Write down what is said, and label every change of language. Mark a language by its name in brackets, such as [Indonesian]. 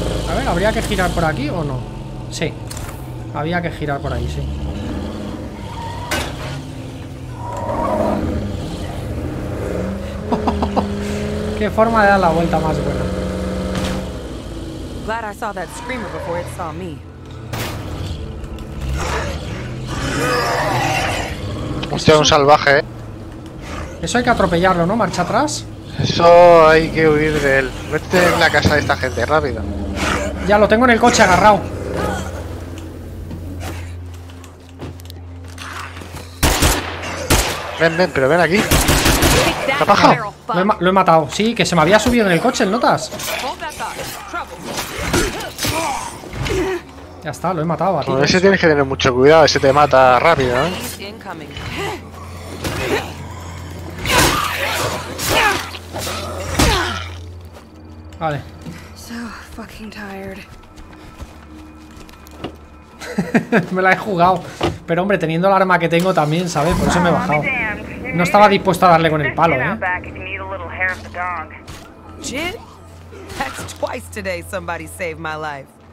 [Spanish] A ver, ¿habría que girar por aquí o no? Sí, había que girar por ahí, sí. Qué forma de dar la vuelta más buena. [English] Glad I saw that screamer before it saw me. [Spanish] Hostia, un salvaje. Eso hay que atropellarlo, ¿no? Marcha atrás. Eso hay que huir de él. Vete en la casa de esta gente, rápido. Ya lo tengo en el coche agarrado. Ven, pero ven aquí. ¿Está bajado? Lo he matado. Sí, que se me había subido en el coche, ¿notas? Ya está, lo he matado a ti. Ese tienes que tener mucho cuidado, ese te mata rápido, ¿eh? Vale. [English] So fucking tired. [Spanish] Me la he jugado. Pero hombre, teniendo el arma que tengo también, ¿sabes? Por eso me he bajado. No estaba dispuesto a darle con el palo, ¿eh? [English] Jin, that's twice today somebody saved my life.